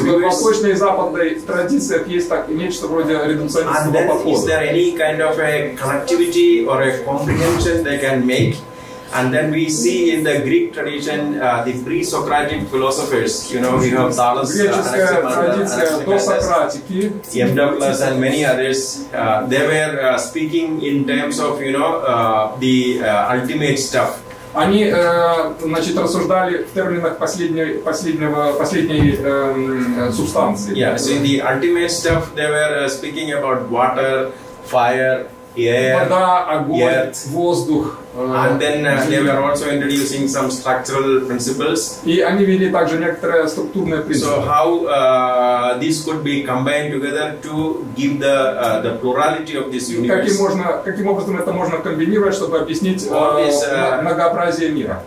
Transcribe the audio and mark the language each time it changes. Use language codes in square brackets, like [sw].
[ru] То есть в восточной и западной традициях есть так нечто вроде редукционистского подхода. [en] Is there any kind of a connectivity or a comprehension they can make? And then we see in the Greek tradition the pre-Socratic philosophers. You know, we have Thales, Anaximander, and many others. They were speaking in terms of the ultimate stuff. [ru] Они, значит, рассуждали в терминах последней субстанции. [en] Yeah, so in the ultimate stuff, they were speaking about water, fire, air, [ru] вода, огонь, [en] earth. [ru] Воздух. [en] And then they were also introducing some structural principles. [ru] И они ввели также некоторые структурные принципы. [en] So how this could be combined together to give the plurality of this universe? [ru] Каким образом это можно комбинировать, чтобы объяснить многообразие мира?